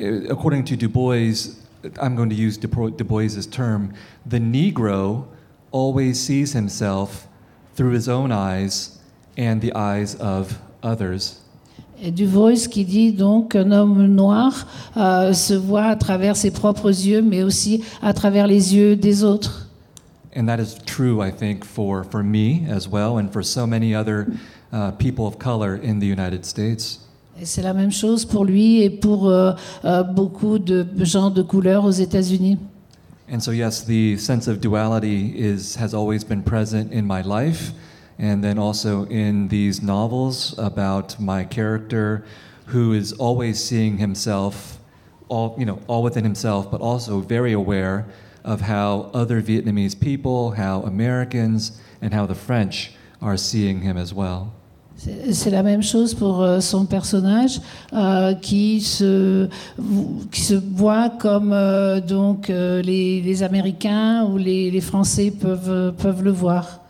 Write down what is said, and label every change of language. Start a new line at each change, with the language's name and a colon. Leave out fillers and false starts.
English: According to Du Bois, I'm going to use Du Bois' term, the Negro always sees himself through his own eyes and the eyes of others.
French: Et Du Bois qui dit donc qu'un homme noir se voit à travers ses propres yeux, mais aussi à travers les yeux des autres.
English: And that is true, I think, for me as well, and for so many other people of color in the United States.
French: Et c'est la même chose pour lui et pour beaucoup de gens de couleur aux États-Unis.
English: And so yes, the sense of duality has always been present in my life. And then also in these novels about my character, who is always seeing himself, all within himself, but also very aware of how other Vietnamese people, how Americans, and how the French are seeing him as well.
French: C'est la même chose pour son personnage qui se voit comme les Américains ou les Français peuvent le voir.